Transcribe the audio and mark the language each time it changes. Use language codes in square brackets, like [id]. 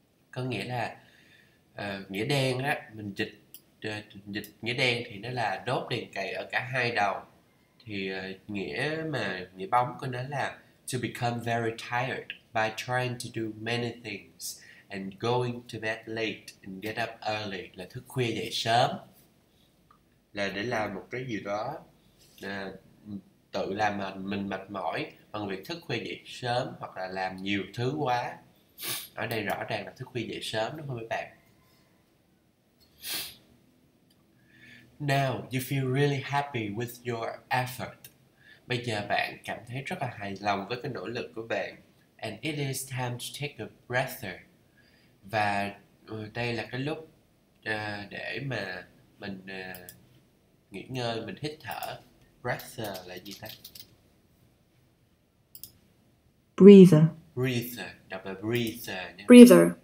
[vi] Có nghĩa là nghĩa đen á, mình dịch nghĩa đen thì nó là đốt đèn cầy ở cả hai đầu, thì nghĩa bóng của nó là [en] to become very tired by trying to do many things and going to bed late and get up early, [vi] là thức khuya dậy sớm, là để làm một cái gì đó, tự làm mình mệt mỏi bằng việc thức khuya dậy sớm hoặc là làm nhiều thứ quá. Ở đây rõ ràng là thức khuya dậy sớm đúng không mấy bạn? [en] Now you feel really happy with your effort. [vi] Bây giờ bạn cảm thấy rất là hài lòng với cái nỗ lực của bạn. [en] And it is time to take a breather. [vi] Và đây là cái lúc để mà mình nghỉ ngơi, mình hít thở. Breather là gì ta? [en] Breather. [vi] Breather, đọc là breather nhé. [en] Breather.